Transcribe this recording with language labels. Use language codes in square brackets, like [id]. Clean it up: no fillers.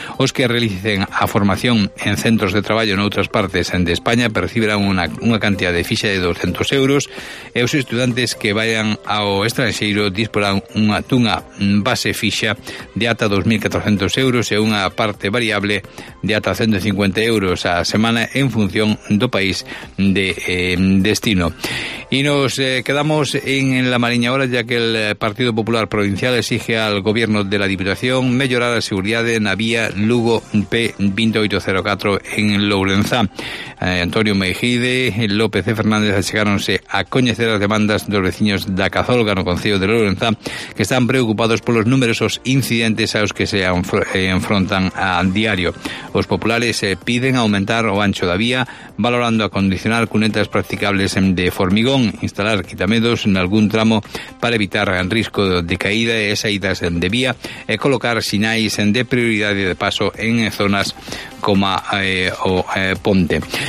[gl] Os que realicen a formación en centros de traballo en outras partes de España percibirán unha cantidad de fixa de 200 euros e os estudantes que vayan ao estranxeiro disporán unha tunga base fixa de ata 2.400 euros e unha parte variable de ata 150 euros a semana en función do país de destino. [es] Y nos quedamos en la Mariña ahora, ya que el Partido Popular Provincial exige al Gobierno de la Diputación mejorar la seguridad en la vía Lugo P2804 en Lourenzá. [gl] Antonio Mejide, López Fernández achegáronse a coñecer as demandas dos veciños da Cazolga no concello de Lourenzá, que están preocupados polos numerosos incidentes aos que se enfrontan a diario. Os populares piden aumentar o ancho da vía, valorando acondicionar cunetas practicables de formigón, instalar quitamedos en algún tramo para evitar el risco de caída e saídas de vía, e colocar sinais de prioridade de paso en zonas como ponte.